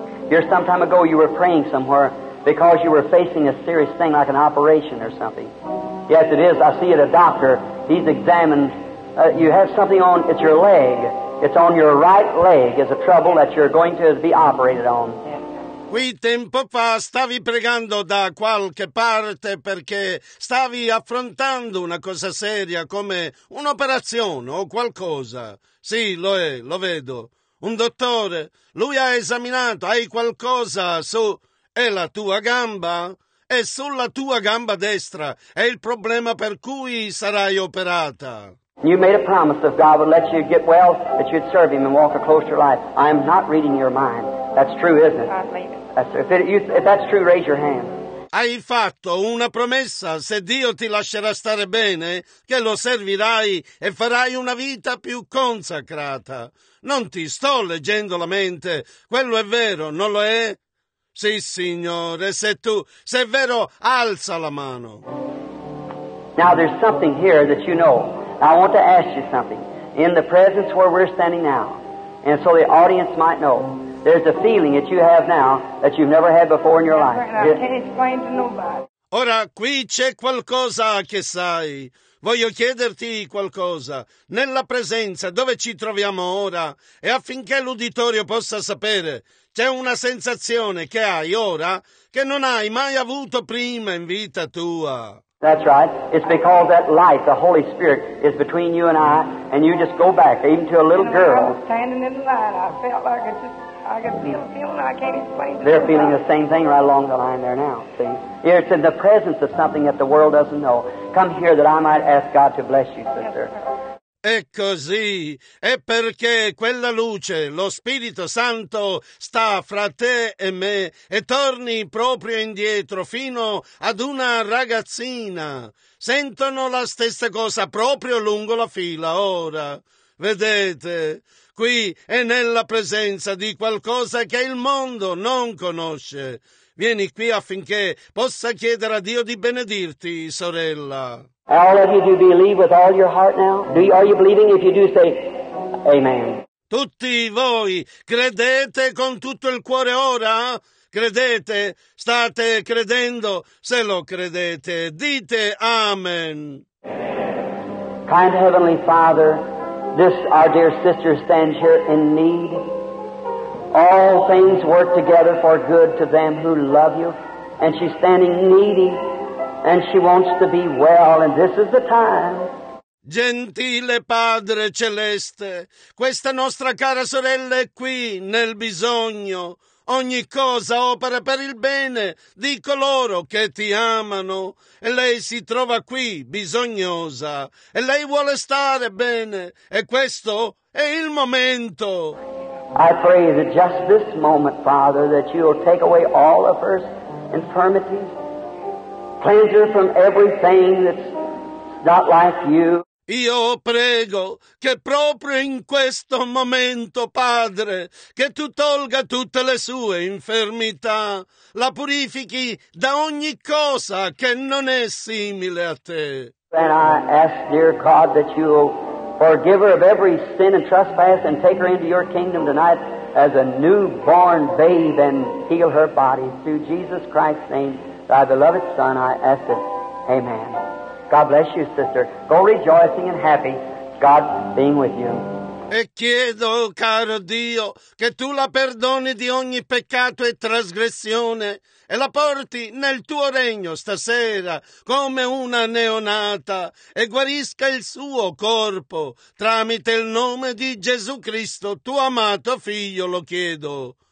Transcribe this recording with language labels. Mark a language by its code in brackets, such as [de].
[en] Here, some time ago, you were praying somewhere because you were facing a serious thing like an operation or something. Yes, it is. I see it, a doctor. He's examined. You have something on. It's your leg. It's on your right leg. It's a trouble that you're going to be operated on. [it] Qui tempo fa stavi pregando da qualche parte perché stavi affrontando una cosa seria come un'operazione o qualcosa. Sì, lo è. Lo vedo. Un dottore. Lui ha esaminato. Hai qualcosa su? È la tua gamba? È sulla tua gamba destra, è il problema per cui sarai operata. [en] You made a promise that God would let you get well, that you'd serve him and walk a closer life. I'm not reading your mind. That's true, isn't it? If that's true, raise your hand. [it] Hai fatto una promessa, se Dio ti lascerà stare bene, che lo servirai e farai una vita più consacrata. Non ti sto leggendo la mente, quello è vero, non lo è? Sì, Signore, se è vero, alza la mano. [en] Now there's something here that you know. I want to ask you something. In the presence where we're standing now, and so the audience might know, there's a feeling that you have now that you've never had before in your life. I can't explain to nobody. [it] Ora, qui c'è qualcosa che sai. Voglio chiederti qualcosa. Nella presenza, dove ci troviamo ora, e affinché l'uditorio possa sapere, c'è una sensazione che hai ora che non hai mai avuto prima in vita tua. [en] That's right. It's because that light, the Holy Spirit, is between you and I, and you just go back, even to a little girl. I was standing in the light. I felt like I just... I can feel a feeling I can't explain. They're feeling the same thing right along the line there now, see? It's in the presence of something that the world doesn't know. Come here that I might ask God to bless you, sister. Yes, sir. [it] E così, è perché quella luce, lo Spirito Santo, sta fra te e me e torni proprio indietro fino ad una ragazzina. Sentono la stessa cosa proprio lungo la fila ora. Vedete, qui è nella presenza di qualcosa che il mondo non conosce. Vieni qui affinché possa chiedere a Dio di benedirti, sorella. [en] All of you, do believe with all your heart now? Are you believing? If you do, say amen. [it] Tutti voi credete con tutto il cuore ora? Credete? State credendo? Se lo credete, dite amen. [en] Kind Heavenly Father, this our dear sister stands here in need. All things work together for good to them who love you. And she's standing needy. And she wants to be well, and this is the time. [it] Gentile Padre Celeste, questa nostra cara sorella è qui nel bisogno. Ogni cosa opera per il bene di coloro che ti amano. E lei si trova qui bisognosa. E lei vuole stare bene. E questo è il momento. [en] I pray that just this moment, Father, that you will take away all of her infirmities. Cleanse her from everything that's not like you. [it] Io prego che proprio in questo momento, Padre, che tu tolga tutte le sue infermità, la purifichi da ogni cosa che non è simile a te. [en] And I ask, dear God, that you will forgive her of every sin and trespass and take her into your kingdom tonight as a newborn babe and heal her body through Jesus Christ's name. Thy beloved son, I ask it. Amen. God bless you, sister. Go rejoicing and happy, God being with you. [it] E chiedo, caro Dio, che tu la perdoni di ogni peccato e trasgressione e la porti nel tuo regno stasera come una neonata e guarisca il suo corpo tramite il nome di Gesù Cristo, tuo amato figlio, lo chiedo.